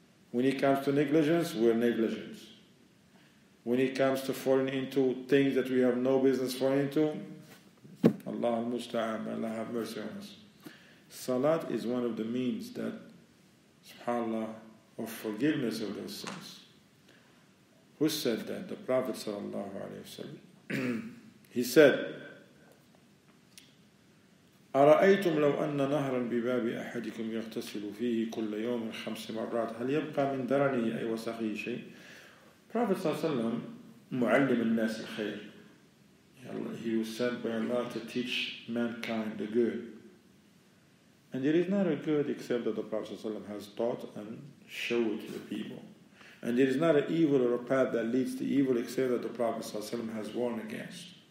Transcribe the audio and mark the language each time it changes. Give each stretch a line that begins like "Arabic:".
English: When it comes to negligence, we're negligent. When it comes to falling into things that we have no business falling into, Allah al-Musta'an, Allah have mercy on us. Salat is one of the means that, subhanAllah, of forgiveness of those sins. Who said that? The Prophet sallallahu alayhi wa sallam. He said,
Arabic: أرأيتم لو أن نهرا بباب أحدكم يغتسل فيه كل يوم خمس مرات هل يبقى من درنه أي وسخه شيء؟
English: Prophet sallallahu alayhi wa sallam,
Arabic: معلم الناس الخير.
English: He was sent by Allah to teach mankind the good. And there is not a good except that the Prophet sallallahu alayhi wa sallam has taught and showed to the people. And there is not an evil or a path that leads to evil except that the Prophet ﷺ has warned against.